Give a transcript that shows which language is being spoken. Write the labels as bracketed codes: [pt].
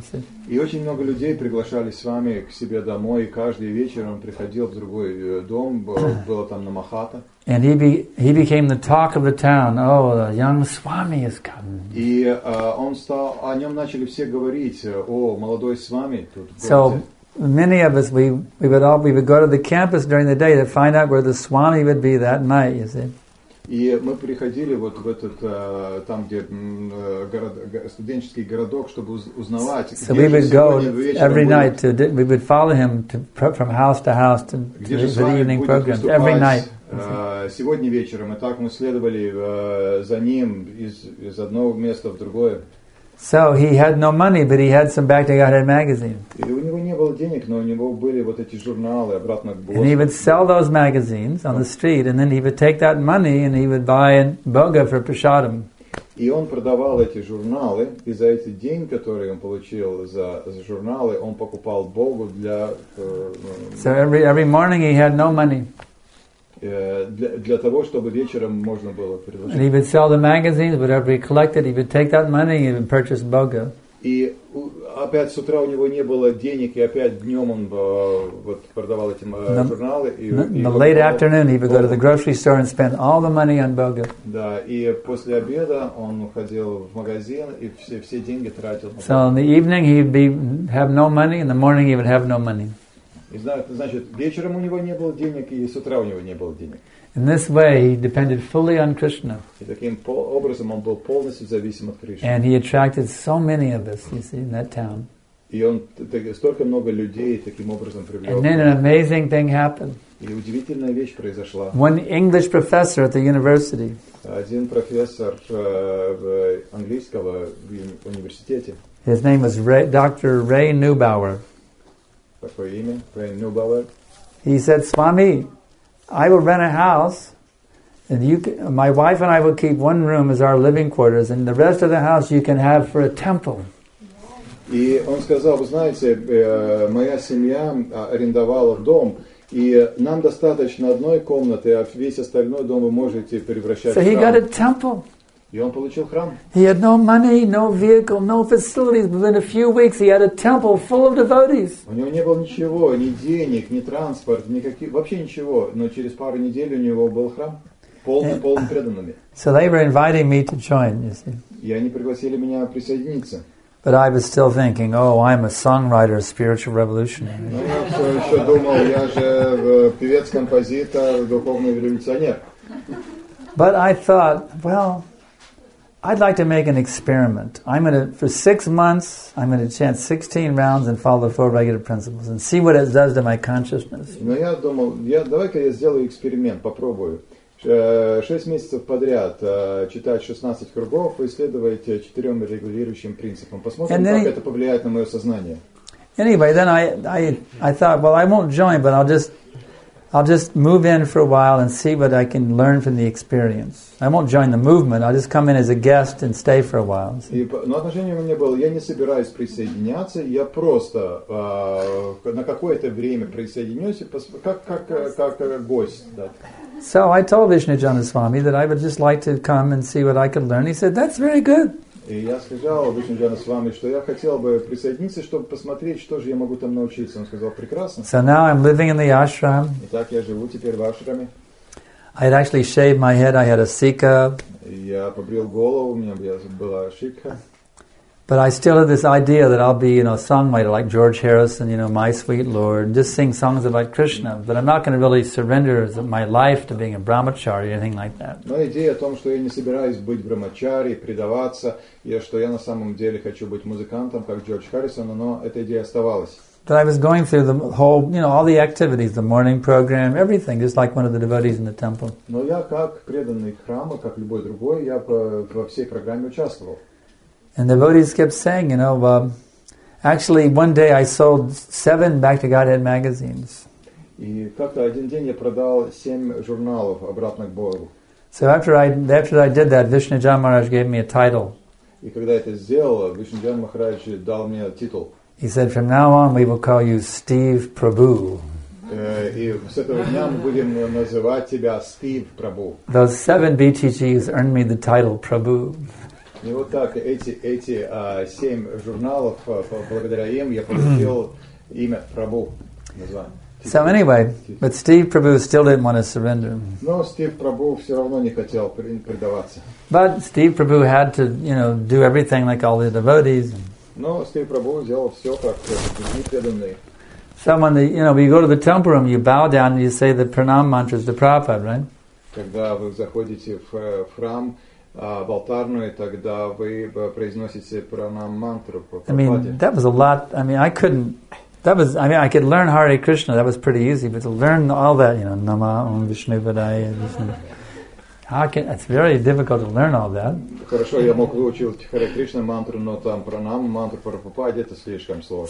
[en] So. [ru] И очень много людей приглашали Свами к себе домой, и каждый вечер он приходил в другой дом, было там Намахата. [en] And he became the talk of the town. Oh, the young Swami is coming. [ru] И он стал, о нем начали все говорить, о, молодой Свами тут. [en] So many of us, we would go to the campus during the day to find out where the Swami would be that night, you see. [ru] И мы приходили вот в этот, там, где студенческий городок, чтобы узнавать, so где же сегодня every будет. [en] Night to, we would follow him to, from house to house to the evening program, every night. [ru] Сегодня вечером, и так мы следовали за ним из одного места в другое. [en] So he had no money, but he had some Bhaktivedanta magazine. And he would sell those magazines on the street, and then he would take that money and he would buy a boga for prasadam. [ru] И он продавал эти журналы, и за эти деньги, которые он получил за журналы, он покупал богу для... [en] So every morning he had no money. [ru] Для того, чтобы вечером можно было предложить. [en] And he would sell the magazines, whatever he collected, he would take that money and purchase boga. [ru] И опять с утра у него не было денег, и опять днем он вот продавал эти журналы. [en] In the late afternoon, he would go to the grocery store and spend all the money on boga. [ru] Да, и после обеда он уходил в магазин и все деньги тратил. [en] So in the evening he would have no money, in the morning he would have no money. [ru] И значит, вечером у него не было денег, и с утра у него не было денег. [en] In this way, he depended fully on Krishna. [ru] И таким образом он был полностью зависим от Кришны. [en] And he attracted so many of us, you see, in that town. [ru] И он столько много людей таким образом привлек. [en] And then an amazing thing happened. [ru] И удивительная вещь произошла. [en] One English professor at the university. [ru] Один профессор английского в университете. [en] His name was Dr. Ray Neubauer. [ru] Такое имя, Ray Neubauer. [en] He said, Swami, I will rent a house, and my wife and I will keep one room as our living quarters, and the rest of the house you can have for a temple. [ru] И он сказал, вы знаете, моя семья арендовала дом, и нам достаточно одной комнаты, а весь остальной дом вы можете превращать в храм. [en] So he got a temple. [ru] И он получил храм. [en] He had no money, no vehicle, no facilities. Within a few weeks, he had a temple full of devotees. [ru] У него не было ничего, ни денег, ни транспорт, никаких, вообще ничего. Но через пару недель у него был храм, полный преданными. [en] So they were inviting me to join, you see. [ru] И они пригласили меня присоединиться. [en] But I was still thinking, oh, I'm a songwriter, a spiritual revolutionary. [ru] Но я все еще думал, я же певец-композитор, духовный революционер. [en] But I thought, well, I'd like to make an experiment. For 6 months, I'm going to chant 16 rounds and follow the four regular principles and see what it does to my consciousness. [ru] Но я думал, давай-ка я сделаю эксперимент, попробую. 6 месяцев подряд читать 16 кругов и следовать 4 регулирующим принципам. Посмотрим, как это повлияет на мое сознание. [en] Anyway, then I thought, well, I won't join, but I'll just move in for a while and see what I can learn from the experience. I won't join the movement. I'll just come in as a guest and stay for a while. [ru] Но отношение у меня было, я не собираюсь присоединяться, я просто на какое-то время присоединюсь, как гость. [en] So I told Vishnujana Swami that I would just like to come and see what I could learn. He said, that's very good. [ru] И я сказал Вишнуджана Свами, что я хотел бы присоединиться, чтобы посмотреть, что же я могу там научиться. Он сказал, прекрасно. [en] So now I'm living in the ashram. [ru] Итак, я живу теперь в ашраме. [en] I had actually shaved my head, I had a sikha. [ru] Я побрил голову, у меня была шикха. [en] But I still had this idea that I'll be, you know, a songwriter like George Harrison, you know, My Sweet Lord, and just sing songs about Krishna. But I'm not going to really surrender my life to being a brahmachari or anything like that. [ru] Но идея о том, что я не собираюсь быть брамачари, предаваться, и что я на самом деле хочу быть музыкантом, как Джордж Харрисон, но эта идея оставалась. [en] But I was going through the whole, you know, all the activities, the morning program, everything, just like one of the devotees in the temple. [ru] Но я как преданный храма, как любой другой, я во всей программе участвовал. [en] And the devotees kept saying, you know, actually one day I sold 7 Bhakti Godhead magazines. [ru] И как-то один день я продал 7 журналов обратно к Богу. [en] So after I did that, Vishnujana Maharaj gave me a title. [ru] И когда это сделал, Вишнуджана Махарадж дал мне титул. [en] He said, from now on we will call you Steve Prabhu. [ru] И с этого дня мы будем называть тебя Стив Прабу. [en] Those 7 BTGs earned me the title Prabhu. [ru] И вот так эти 7 журналов благодаря им я получил имя Прабу. [en] So anyway, but Steve Prabhu still didn't want to surrender. [ru] Но Стив Прабу все равно не хотел предаваться. [en] But Steve Prabhu had to, you know, do everything like all the devotees. [ru] Но Стив Прабу сделал все как другие преданные. [en] So when the, you know, you go to the temple room, you bow down and you say the pranam mantras to Prabhupada, right? [ru] Когда вы заходите в храм в алтарную, тогда вы произносите пранам мантру. [en] I mean, that was a lot. I mean, I couldn't. That was. I mean, I could learn Hare Krishna. That was pretty easy. But to learn all that, you know, [sa] Nama Om Vishnu Padaya. [en] How can, it's very difficult to learn all that. [ru] Хорошо, я мог выучить Харе Кришна мантру, но там пранаму мантру Прабхупады это слишком сложно.